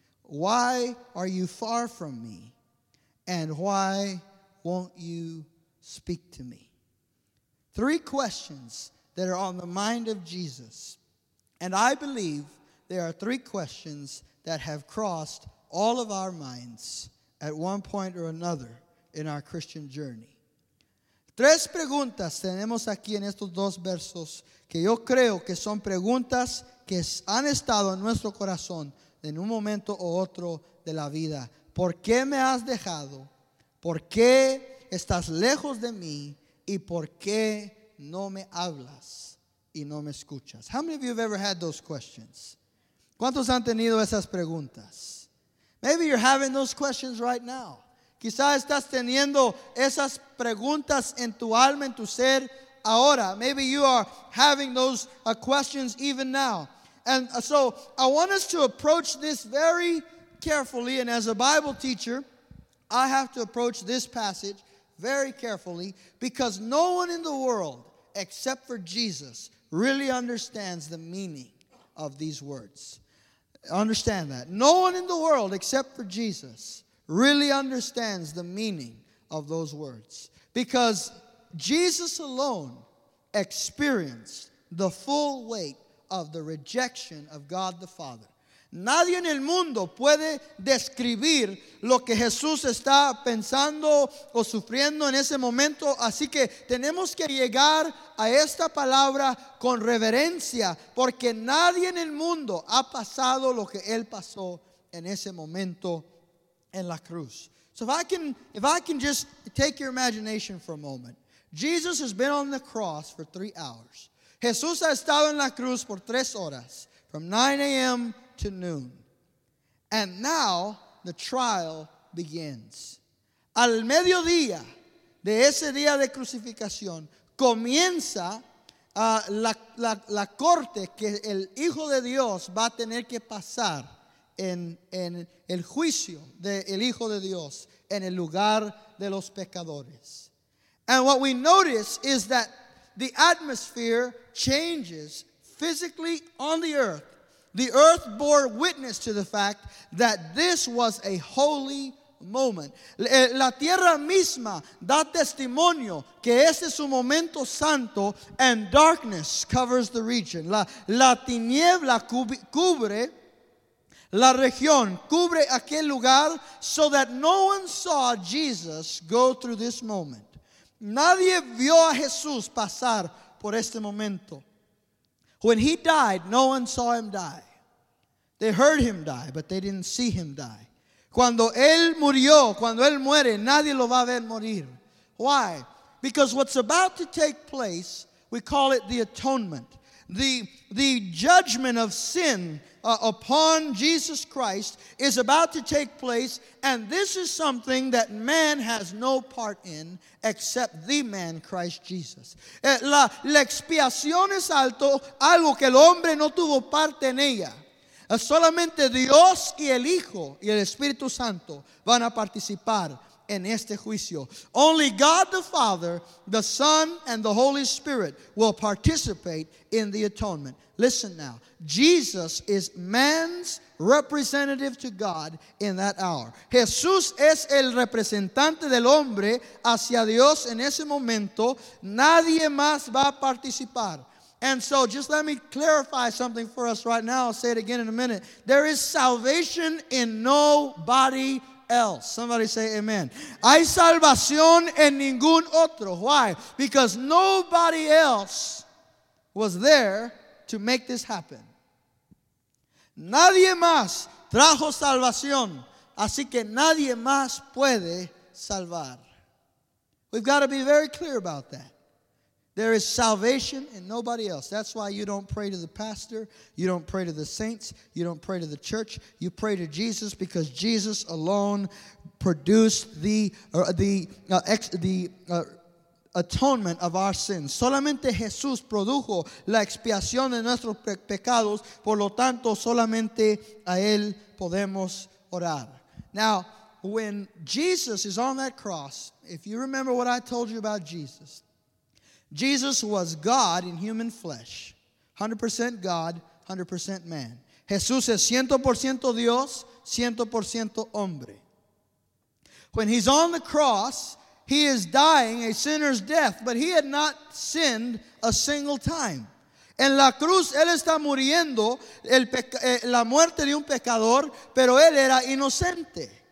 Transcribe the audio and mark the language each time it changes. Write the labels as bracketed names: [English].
[English] Why are you far from me? And why won't you speak to me? Three questions that are on the mind of Jesus. And I believe there are three questions that have crossed all of our minds at one point or another in our Christian journey. [Spanish] Tres preguntas tenemos aquí en estos dos versos que yo creo que son preguntas que han estado en nuestro corazón en un momento o otro de la vida. ¿Por qué me has dejado? ¿Por qué estás lejos de mí? ¿Y por qué no me hablas y no me escuchas? [English] How many of you have ever had those questions? [Spanish] ¿Cuántos han tenido esas preguntas? [English] Maybe you're having those questions right now. [Spanish] Quizás estás teniendo esas preguntas en tu alma, en tu ser, ahora. [English] Maybe you are having those questions even now. And so I want us to approach this very carefully. And as a Bible teacher, I have to approach this passage very carefully because no one in the world, except for Jesus, really understands the meaning of these words. Understand that. No one in the world, except for Jesus, really understands the meaning of those words. Because Jesus alone experienced the full weight of the rejection of God the Father. [Spanish] Nadie en el mundo puede describir lo que Jesús está pensando o sufriendo en ese momento. Así que tenemos que llegar a esta palabra con reverencia. Porque nadie en el mundo ha pasado lo que Él pasó en ese momento en la cruz. [English] So if I can just take your imagination for a moment. Jesus has been on the cross for 3 hours. [Spanish] Jesús ha estado en la cruz por 3 horas. [English] From 9 a.m. to noon. And now the trial begins. [Spanish] Al mediodía de ese día de crucificación comienza la corte que el Hijo de Dios va a tener que pasar en el juicio del Hijo de Dios en el lugar de los pecadores. [English] And what we notice is that the atmosphere changes physically on the earth. The earth bore witness to the fact that this was a holy moment. [Spanish] La tierra misma da testimonio que este es un momento santo, [English] and darkness covers the region. [Spanish] La tiniebla cubre la región, cubre aquel lugar, [English] so that no one saw Jesus go through this moment. [Spanish] Nadie vio a Jesús pasar por este momento. [English] When he died, no one saw him die. They heard him die, but they didn't see him die. [Spanish] Cuando él murió, cuando él muere, nadie lo va a ver morir. [English] Why? Because what's about to take place, we call it the atonement. The judgment of sin upon Jesus Christ is about to take place, and this is something that man has no part in except the man, Christ Jesus. [Spanish] La expiación es algo que el hombre no tuvo parte en ella. Solamente Dios y el Hijo y el Espíritu Santo van a participar en este juicio. [English] Only God the Father, the Son, and the Holy Spirit will participate in the atonement. Listen now. Jesus is man's representative to God in that hour. [Spanish] Jesús es el representante del hombre hacia Dios en ese momento. Nadie más va a participar. [English] And so just let me clarify something for us right now. I'll say it again in a minute. There is salvation in nobody else. Somebody say amen. [Spanish] Hay salvación en ningún otro. [English] Why? Because nobody else was there to make this happen. [Spanish] Nadie más trajo salvación. Así que nadie más puede salvar. [English] We've got to be very clear about that. There is salvation in nobody else. That's why you don't pray to the pastor. You don't pray to the saints. You don't pray to the church. You pray to Jesus, because Jesus alone produced the atonement of our sins. [Spanish] Solamente Jesús produjo la expiación de nuestros pecados. Por lo tanto, solamente a Él podemos orar. [English] Now, when Jesus is on that cross, if you remember what I told you about Jesus, Jesus was God in human flesh, 100% God, 100% man. [Spanish] Jesús es 100% Dios, 100% hombre. [English] When he's on the cross, he is dying a sinner's death, but he had not sinned a single time. [Spanish] En la cruz, él está muriendo la muerte de un pecador, pero él era inocente.